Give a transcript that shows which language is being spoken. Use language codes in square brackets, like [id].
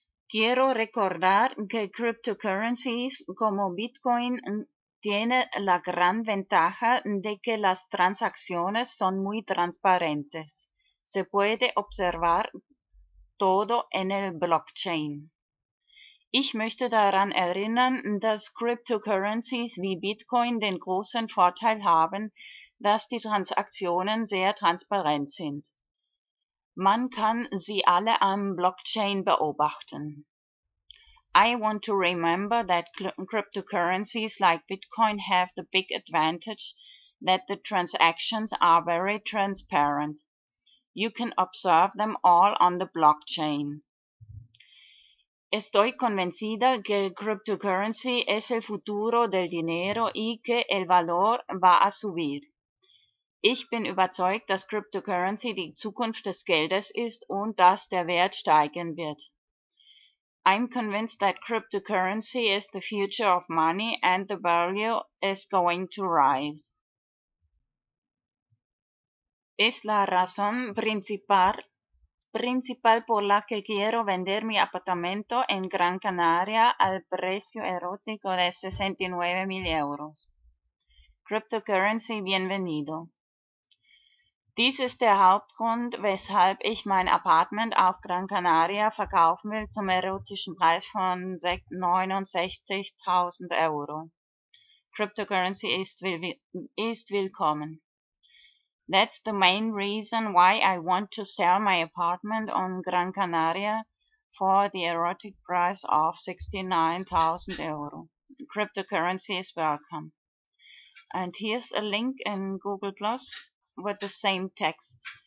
[es] Quiero recordar que cryptocurrencies como Bitcoin tiene la gran ventaja de que las transacciones son muy transparentes. Se puede observar todo en el Blockchain. [de] Ich möchte daran erinnern, dass Cryptocurrencies wie Bitcoin den großen Vorteil haben, dass die Transaktionen sehr transparent sind. Man kann sie alle am Blockchain beobachten. [en] I want to remember that cryptocurrencies like Bitcoin have the big advantage that the transactions are very transparent. You can observe them all on the blockchain. [es] Estoy convencida que cryptocurrency es el futuro del dinero y que el valor va a subir. [de] Ich bin überzeugt, dass cryptocurrency die Zukunft des Geldes ist und dass der Wert steigen wird. [en] I'm convinced that cryptocurrency is the future of money and the value is going to rise. [es] Es la razón principal por la que quiero vender mi apartamento en Gran Canaria al precio erótico de 69.000 euros. Cryptocurrency, bienvenido. [de] Dies ist der Hauptgrund, weshalb ich mein Apartment auf Gran Canaria verkaufen will zum erotischen Preis von 69.000 Euro. Cryptocurrency ist willkommen. [en] That's the main reason why I want to sell my apartment on Gran Canaria for the erotic price of 69,000 euro. Cryptocurrency is welcome. And here's a link in Google Plus with the same text.